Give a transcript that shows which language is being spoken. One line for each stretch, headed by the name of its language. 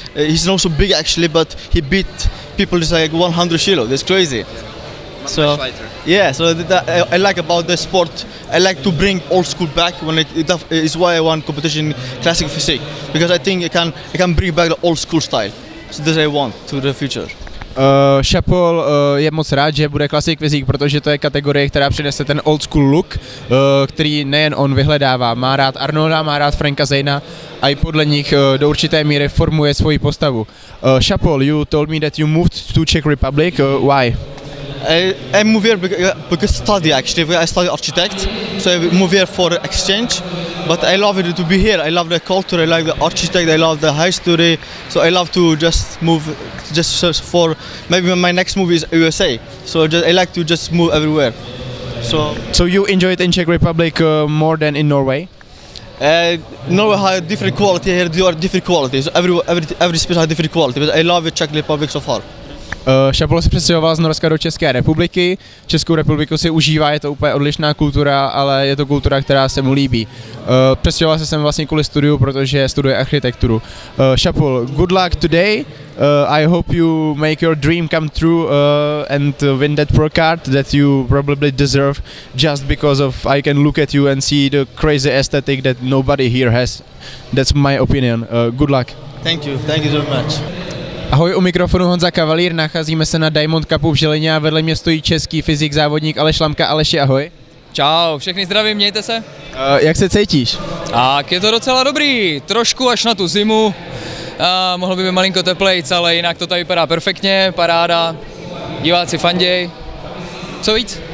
English: He's not so big actually, but he beat people just like 100 kilo. That's crazy. So yeah, so I like about the sport. I like to bring old school back when it is why I want competition classic physique, because I think I can bring back the old school style. So that I want to the future.
Czech: Chapel je moc rád, že bude classic physique, protože to je kategorie, která přinese ten old school look, který nejen on vyhledává. Má rád Arnolda, má rád Franka Zejna a i podle nich do určité míry formuje svoji postavu.
English: Chapel, you told me that you moved to Czech Republic, why? I moved here because study actually, I study architect, so I moved here for exchange, but I love it to be here, I love the culture, I like the architect, I love the history, so I love to just move, just for, maybe my next move is USA, so just, I like to just move everywhere, so. So you enjoy it in Czech Republic more than in Norway? Norway has different quality here, they are different quality, so every space has different quality, but I love the Czech Republic so far.
Czech: Chapel se přestěhoval z Norska do České republiky. Českou republiku si užívá, je to úplně odlišná kultura, ale je to kultura, která se mu líbí. Přestěhoval se sem vlastně kvůli studiu, protože studuje architekturu.
English: Chapel, good luck today. I hope you make your dream come true and win that pro card that you probably deserve just because of I can look at you and see the crazy aesthetic that nobody here has. That's my opinion. Good luck. Thank you very much.
Czech: Ahoj, u mikrofonu Honza Kavalír, nacházíme se na Diamond Cupu v Žilině a vedle mě stojí český fyzik závodník Aleš Lamka. Aleši, ahoj. Čau, všechny zdravím, mějte se. Jak se cítíš? Tak, je to docela dobrý, trošku až na tu zimu, mohlo by být malinko teplejc, ale jinak to tady vypadá perfektně, paráda, diváci fanděj, co víc?